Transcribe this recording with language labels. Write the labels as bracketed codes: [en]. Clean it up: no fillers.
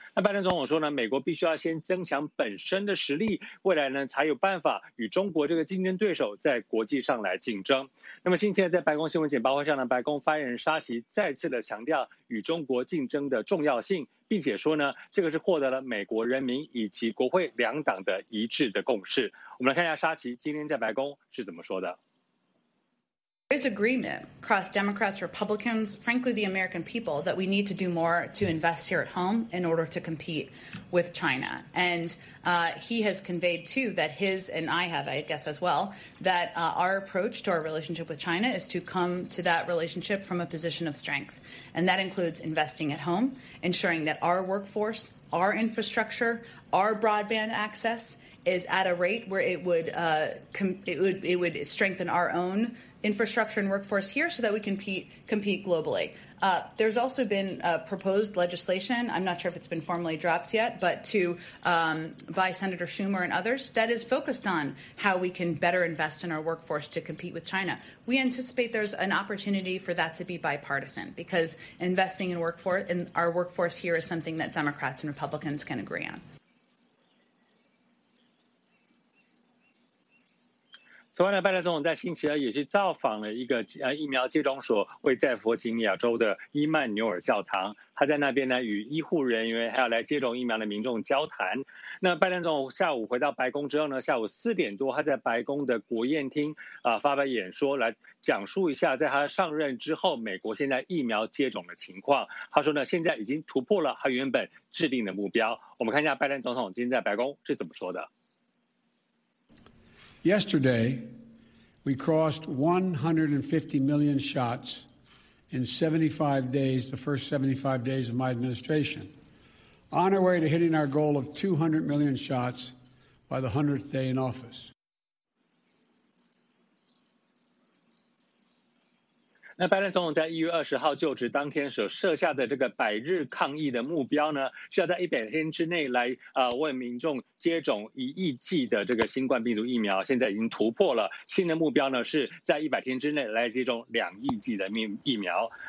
[zh] 那拜登总统说呢，美国必须要先增强本身的实力，未来呢才有办法与中国这个竞争对手在国际上来竞争。那么星期二在白宫新闻简报会上呢，白宫发言人沙奇再次的强调与中国竞争的重要性，并且说呢，这个是获得了美国人民以及国会两党的一致的共识。我们来看一下沙奇今天在白宫是怎么说的。 [en] There's agreement across Democrats, Republicans, frankly, the American people, that we need to do more to invest here at home in order to compete with China. And he has conveyed, too, that his, and I have, I guess, as well, that our approach to our relationship with China is to come to that relationship from a position of strength. And that includes investing at home, ensuring that our workforce, our infrastructure, our broadband access is at a rate where it would strengthen our owninfrastructure and workforce here so that we can compete globally. There's also been proposed legislation, I'm not sure if it's been formally dropped yet, but by Senator Schumer and others, that is focused on how we can better invest in our workforce to compete with China. We anticipate there's an opportunity for that to be bipartisan, because investing in our workforce here is something that Democrats and Republicans can agree on. [zh] 此外呢，拜登总统在星期二也去造访了一个疫苗接种所，位在弗吉尼亚州的伊曼纽尔教堂。他在那边呢与医护人员还有来接种疫苗的民众交谈。那拜登总统下午回到白宫之后呢，下午4点多他在白宫的国宴厅发表演说，来讲述一下在他上任之后美国现在疫苗接种的情况。他说呢，现在已经突破了他原本制定的目标。我们看一下拜登总统今天在白宫是怎么说的。 [en] Yesterday, we crossed 150 million shots in 75 days, the first 75 days of my administration, on our way to hitting our goal of 200 million shots by the 100th day in office. [zh] 那拜登总统在1月20号就职当天所设下的这个百日抗疫的目标呢，是要在100天之内来为民众接种1亿剂的这个新冠病毒疫苗，现在已经突破了。新的目标呢，是在100天之内来接种2亿剂的疫苗。